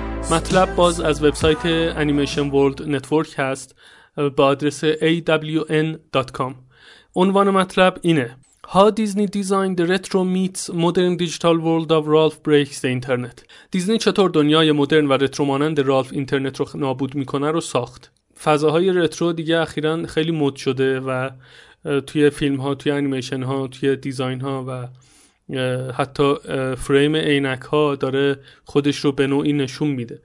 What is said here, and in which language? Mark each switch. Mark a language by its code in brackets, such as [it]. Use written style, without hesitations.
[fa] مطلب باز از وبسایت انیمیشن ورلد نتورک هست با آدرس awn.com. عنوان مطلب اینه: [en] How Disney Designed the Retro Meets Modern Digital World of Ralph Breaks the Internet. [fa] دیزنی چطور دنیای مدرن و رترو مانند رالف اینترنت رو نابود میکنه رو ساخت. فضاهای رترو دیگه اخیراً خیلی مد شده و توی فیلم ها، توی انیمیشن ها، توی دیزاین ها و حتی فریم عینک ها داره خودش رو به نوعی نشون میده.